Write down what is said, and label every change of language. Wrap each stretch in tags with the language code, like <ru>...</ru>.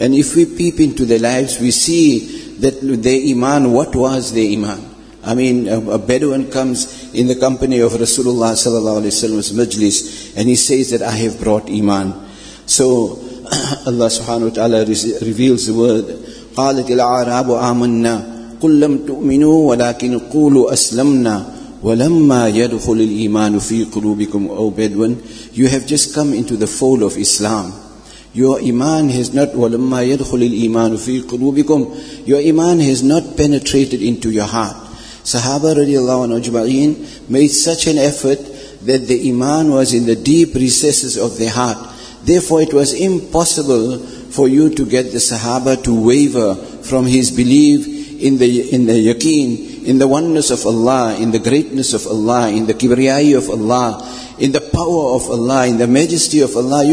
<en>And if we peep into their lives, we see that their iman, what was their iman? I mean, a Bedouin comes in the company of Rasulullah sallallahu alayhi wa sallam's majlis and he says that I have brought iman. So Allah subhanahu wa ta'ala reveals the word,</en> <ar>قَالَتِ الْعَرَابُ آمَنَّا قل لم تؤمنوا ولكن قولوا أسلمنا ولما يدخل الإيمان في قلوبكم أو بدون.</ar> <en>You have just come into the fold of Islam. Your iman has not</en> <ar>ولما يدخل الإيمان في قلوبكم.</ar> <en>Your iman has not penetrated into your heart. Sahaba radiallahu anhu ajma'in made such an effort that the iman was in the deep recesses of their heart. Therefore it was impossible for you to get the Sahaba to waver from his belief in the yaqeen, in the oneness of Allah, in the greatness of Allah, in the kibriyai of Allah, in the power of Allah, in the majesty of Allah.</en>